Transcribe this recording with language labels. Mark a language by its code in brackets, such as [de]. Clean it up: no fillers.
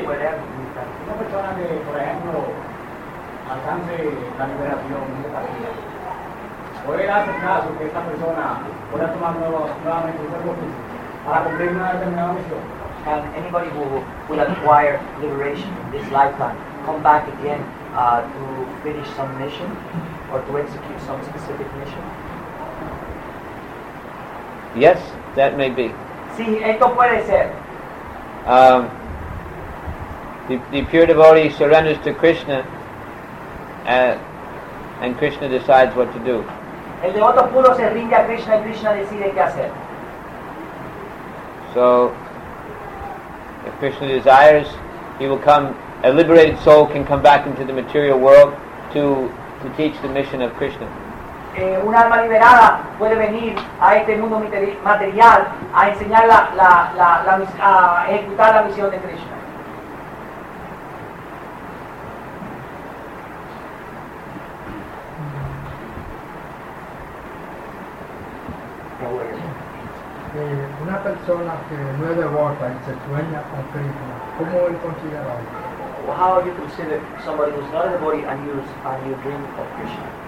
[es] ¿Puede una persona que, por ejemplo, alcance la liberación de esta vida? ¿Puede darse caso que esta persona pueda tomar nuevamente un cuerpo físico para cumplir una determinada misión? [en] Can anybody who will acquire liberation in this lifetime come back again to finish some mission or to execute some specific mission? Yes, that may be. [es] Sí, esto puede ser. [en] The pure devotee surrenders to Krishna and Krishna decides what to do. [es] El devoto puro se rinde a Krishna y Krishna decide qué hacer. [en] So, if Krishna desires, he will come. A liberated soul can come back into the material world to teach the mission of Krishna. [es] Un alma liberada puede venir a este mundo material a enseñar a ejecutar la misión de Krishna. Una persona que no es devota y se sueña con Krishna, ¿cómo él considera eso? [en] How you consider somebody who's not a devotee and you dream of Krishna?